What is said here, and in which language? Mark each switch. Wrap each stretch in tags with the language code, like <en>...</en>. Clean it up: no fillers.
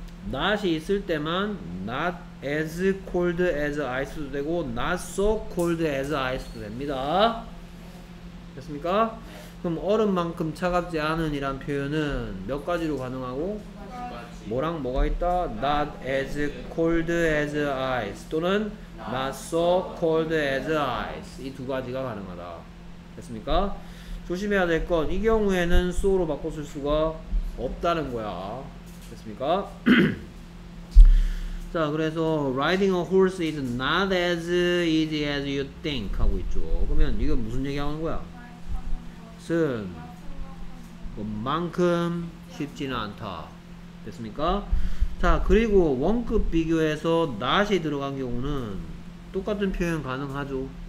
<ko>not이 있을 때만</ko> <en>not as cold as ice</en> <ko>도 되고</ko> <en>not so cold as ice</en> <ko>도 됩니다. 됐습니까? 그럼 얼음만큼 차갑지 않은 이란 표현은 몇 가지로 가능하고? 두 가지. 뭐랑 뭐가 있다?</ko> <en>Not as cold as ice 또는 not so cold as ice.</en> <ko>이 두 가지가 가능하다. 됐습니까? 조심해야 될 건 이 경우에는 so로 바꿔 쓸 수가 없다는 거야. 됐습니까? 자, 그래서</ko> <en>riding a horse is not as easy as you think</en> <ko>하고 있죠. 그러면 이건 무슨 얘기 하는 거야? 쓴 그만큼 쉽지는 않다. 됐습니까? 자, 그리고 원급 비교에서 not이 들어간 경우는 똑같은 표현 가능하죠.</ko>